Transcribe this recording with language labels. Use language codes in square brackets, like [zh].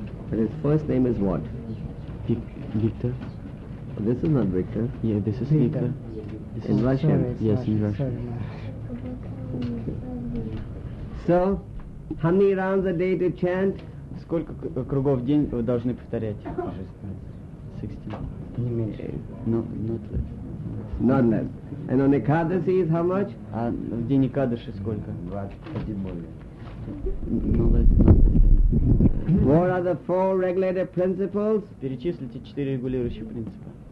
[en] But his first name is what? Victor. This is not Victor. Yeah, this is Victor. Victor. This in is Russia? Sorry, yes, sorry, in Russia. So, how many rounds a day to chant? [ru] Сколько кругов в день вы должны повторять? 16. Не меньше. [en] No, not less. Not less. And on Ekadasi is how much? [ru] А в день Экадаши сколько? 21 более. [en] What are the four regulator principles? [ru] Перечислите четыре регулирующих принципа.